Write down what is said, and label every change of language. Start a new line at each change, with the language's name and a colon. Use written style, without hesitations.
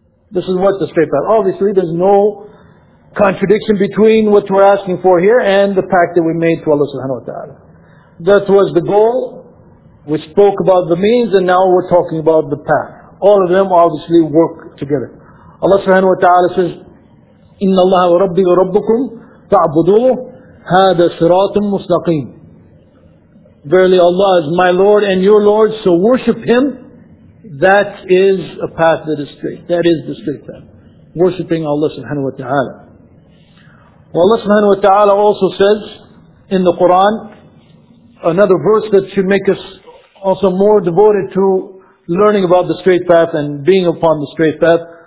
English: This is what the straight path, obviously there's no contradiction between what we're asking for here and the pact that we made to Allah subhanahu wa ta'ala. That was the goal. We spoke about the means and now we're talking about the path. All of them obviously work together. Allah subhanahu wa ta'ala says,
Arabic: إِنَّ اللَّهَ وَرَبِّي وَرَبُّكُمْ تَعْبُدُوهُ هَذَا صِرَاطٌ مُسْتَقِيمٌ.
English: Verily Allah is my Lord and your Lord, so worship Him. That is a path that is straight. That is the straight path. Worshipping Allah subhanahu wa ta'ala. Well, Allah subhanahu wa ta'ala also says in the Quran, another verse that should make us also more devoted to learning about the straight path and being upon the straight path.